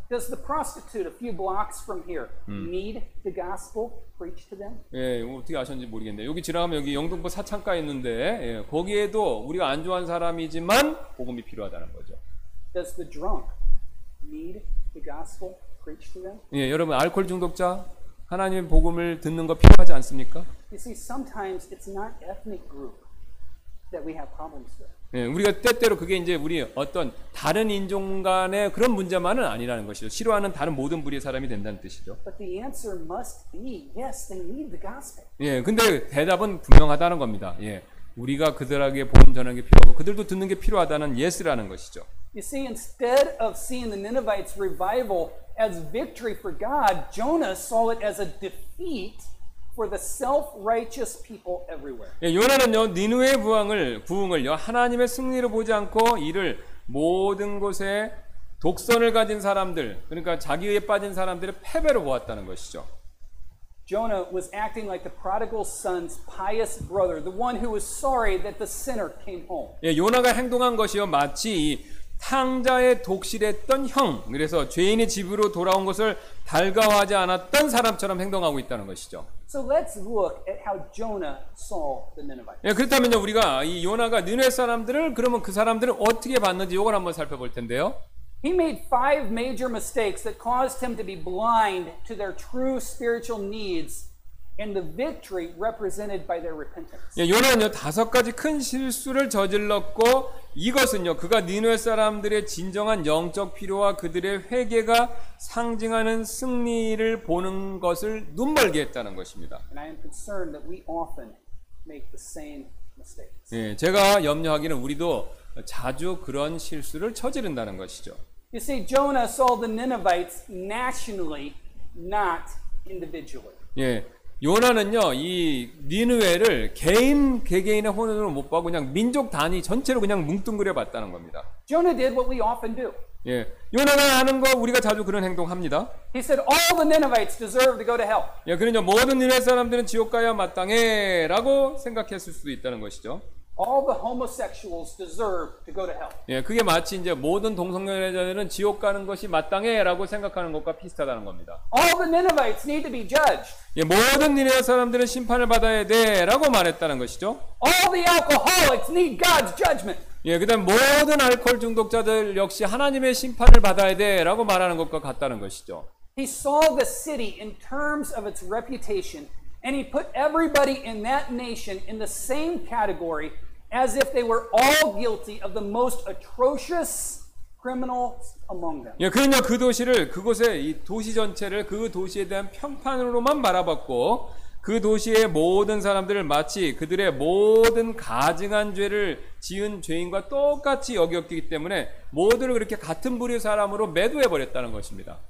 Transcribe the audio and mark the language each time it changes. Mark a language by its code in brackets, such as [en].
[en] Does the prostitute a few blocks from here need the gospel preached to them? [ko] 예, 어떻게 아셨는지 모르겠네요. 여기 지나가면 여기 영등포 사창가에 있는데 예, 거기에도 우리가 안 좋아하는 사람이지만 복음이 필요하다는 거죠. [en] Does the drunk need the gospel preached to them? [ko] 예, 여러분 알코올 중독자 하나님의 복음을 듣는 거 필요하지 않습니까? [en] You see, sometimes it's not ethnic group that we have problems with. [ko] 예, 우리가 때때로 그게 이제 우리 어떤 다른 인종 간의 그런 문제만은 아니라는 것이죠. 싫어하는 다른 모든 부류의 사람이 된다는 뜻이죠. [en] But the answer must be yes, they need the gospel. [ko] 예, 근데 대답은 분명하다는 겁니다. 예, 우리가 그들에게 복음 전하는 게 필요하고 그들도 듣는 게 필요하다는 yes라는 것이죠. [en] You see, instead of seeing the Ninevites' revival as victory for God, Jonah saw it as a defeat for the self-righteous people everywhere. [ko] 예, 요나는요, 니느웨 부흥을요, 하나님의 승리로 보지 않고 이를 모든 곳에 독선을 가진 사람들, 그러니까 자기의에 빠진 사람들의 패배로 보았다는 것이죠. [en] Jonah was acting like the prodigal son's pious brother, the one who was sorry that the sinner came home. [ko] 예, 요나가 행동한 것이요, 마치 이 탕자의 독실했던 형, 그래서 죄인의 집으로 돌아온 것을 달가워하지 않았던 사람처럼 행동하고 있다는 것이죠. [en] So let's look at how Jonah saw the Ninevites. [ko] 예, 그렇다면요, 우리가 이 요나가 니느웨 사람들을 그러면 그 사람들을 어떻게 봤는지 이걸 한번 살펴볼 텐데요. [en] He made five major mistakes that caused him to be blind to their true spiritual needs and the victory represented by their repentance. [ko] 예, 요나는요, 다섯 가지 큰 실수를 저질렀고 이것은요, 그가 니느웨 사람들의 진정한 영적 필요와 그들의 회개가 상징하는 승리를 보는 것을 눈멀게 했다는 것입니다. [en] And I am concerned that we often make the same mistakes. [ko] 예, 제가 염려하기는 우리도 자주 그런 실수를 저지른다는 것이죠. [en] You see, Jonah saw the Ninevites nationally, not individually. [ko] 예. 요나는요, 이 니느웨를 개인 개개인의 혼으로 못 봐고 그냥 민족 단위 전체로 그냥 뭉뚱그려 봤다는 겁니다. [en] Jonah did what we often do. [ko] 예, 요나가 하는 거 우리가 자주 그런 행동합니다. [en] He said all the Ninevites deserve to go to hell. [ko] 예, 그러니 모든 니느웨 사람들은 지옥 가야 마땅해라고 생각했을 수도 있다는 것이죠. [en] All the homosexuals deserve to go to hell. [ko] 예, 그게 마치 이제 모든 동성애자들은 지옥 가는 것이 마땅해라고 생각하는 것과 비슷하다는 겁니다. [en] All the Ninevites need to be judged. [ko] 예, 모든 니느웨 사람들은 심판을 받아야 돼라고 말했다는 것이죠. [en] All the alcoholics need God's judgment. [ko] 예, 그다음 모든 알코올 중독자들 역시 하나님의 심판을 받아야 돼라고 말하는 것과 같다는 것이죠. [en] He saw the city in terms of its reputation. And he put everybody in that nation in the same category as if they were all guilty of the most atrocious criminals among them. [ko] 예, 그는요, 그 도시를 그곳의 이 도시 전체를 그 도시에 대한 평판으로만 바라봤고 그 도시의 모든 사람들을 마치 그들의 모든 가증한 죄를 지은 죄인과 똑같이 여겼기 때문에 모두를 그렇게 같은 부류 사람으로 매도해 버렸다는 것입니다.